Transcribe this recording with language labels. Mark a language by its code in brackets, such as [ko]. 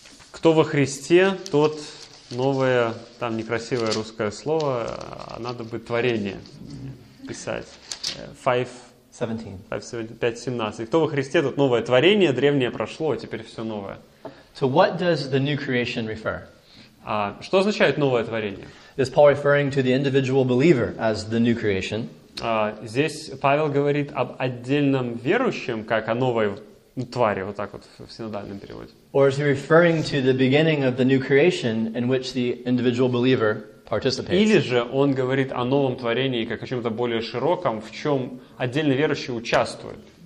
[ru] Кто во Христе, тот новое, там некрасивое русское слово, надо бы творение писать. 5:17. Кто во Христе, тот новое творение, древнее прошло, теперь все новое. [en] So what does the new creation refer? [ru] Что означает новое творение? [en] Is Paul referring to the individual believer as the new creation? [ru] Здесь Павел говорит об отдельном верующем, как о новой твари, вот так вот в синодальном переводе. [en] Or is he referring to the beginning of the new creation in which the individual believer participates? [ru] Или же он говорит о новом творении как о чем-то более широком, в чем отдельный верующий участвует?